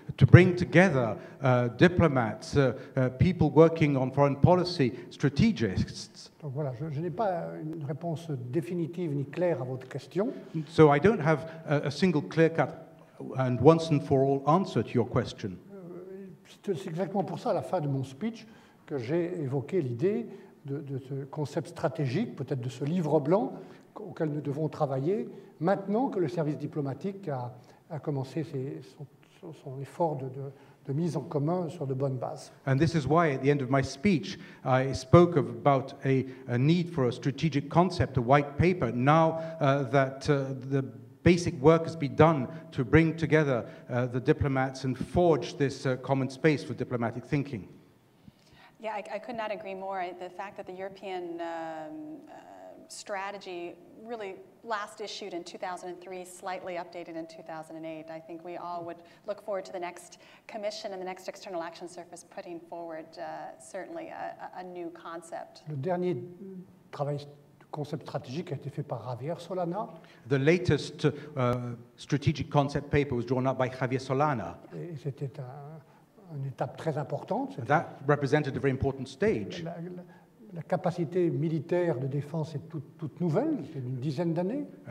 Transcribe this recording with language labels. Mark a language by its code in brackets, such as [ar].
[en] To bring together diplomats, people working on foreign policy, strategists. [fr] Donc voilà, je n'ai pas une réponse définitive ni claire à votre question. [en] So I don't have a single clear-cut and once and for all answer to your question. [fr] C'est exactement pour ça, à la fin de mon speech, que j'ai évoqué l'idée de ce concept stratégique, peut-être de ce livre blanc auquel nous devons travailler maintenant que le service diplomatique a commencé son effort de mise en commun sur de bonnes bases. [en] And this is why, at the end of my speech, I spoke about a need for a strategic concept, a white paper, now that the basic work has been done to bring together the diplomats and forge this common space for diplomatic thinking. Yeah, I could not agree more. The fact that the European strategy really last issued in 2003, slightly updated in 2008. I think we all would look forward to the next commission and the next external action service putting forward certainly a new concept. [fr] Le dernier travail concept stratégique a été fait par Javier Solana. [en] The latest strategic concept paper was drawn up by Javier Solana. [fr] Et c'était une étape très importante. [en] That represented a very important stage. [fr] La capacité militaire de défense est toute nouvelle, c'est d'une dizaine d'années.